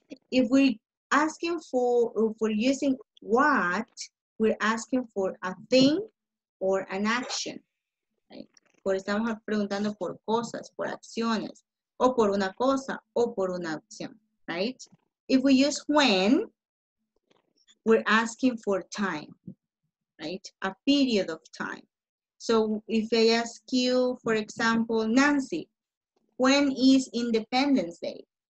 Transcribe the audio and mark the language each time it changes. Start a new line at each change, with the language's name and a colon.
English: If we asking for, if we're using what, we're asking for a thing or an action, right?
Spanish: Por estamos preguntando por cosas, por acciones, o por una cosa, o por una acción, right?
English: If we use when, we're asking for time, right? A period of time. So if I ask you, for example, Nancy, when is Independence Day?